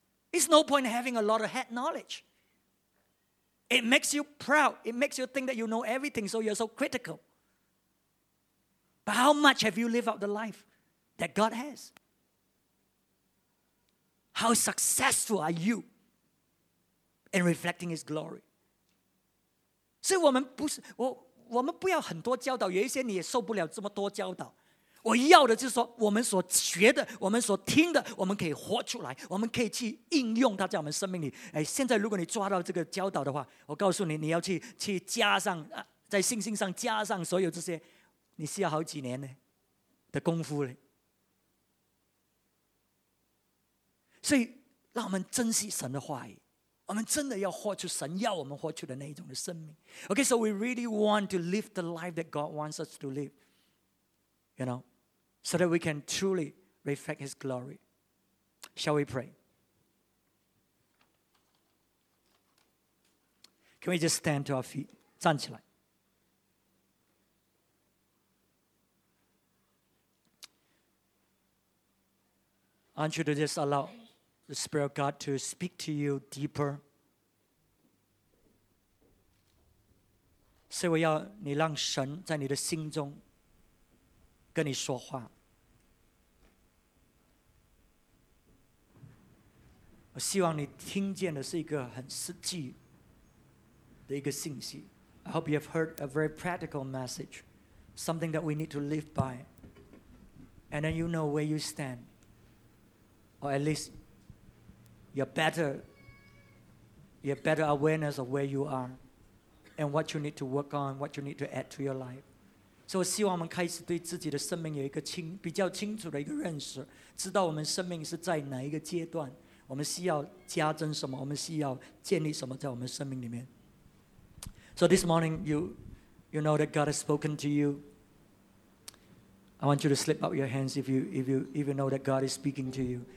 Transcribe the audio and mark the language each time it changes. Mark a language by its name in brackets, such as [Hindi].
[English] It's no point having a lot of head knowledge. It makes you proud. It makes you think that you know everything, so you're so critical. But how much have you lived out the life that God has? How successful are you in reflecting His glory? [Chinese] 所以我们不要很多教导，有一些你也受不了这么多教导。我要的就是说，我们所学的，我们所听的，我们可以活出来，我们可以去应用它在我们生命里。现在如果你抓到这个教导的话，我告诉你，你要去加上，在信心上加上所有这些，你需要好几年的功夫了。所以让我们珍惜神的话语。我们真的要活出神要我们活出的那一种的生命。 [English] Okay, so we really want to live the life that God wants us to live, you know, so that we can truly reflect His glory. Shall we pray? Can we just stand to our feet? [Chinese] 站起来。 [English] I want you to just allow the Spirit of God to speak to you deeper. [Chinese] 所以我要你让神在你的心中跟你说话。我希望你听见的是一个很实际的一个信息。 [English] I hope you have heard a very practical message, something that we need to live by, and then you know where you stand, or at least You have better awareness of where you are and what you need to work on, what you need to add to your life. [Chinese] So 我希望我们开始对自己的生命有一个比较清楚的一个认识，知道我们生命是在哪一个阶段，我们需要加增什么，我们需要建立什么在我们生命里面。 [English] So this morning, you know that God has spoken to you. I want you to slip up your hands if you know that God is speaking to you.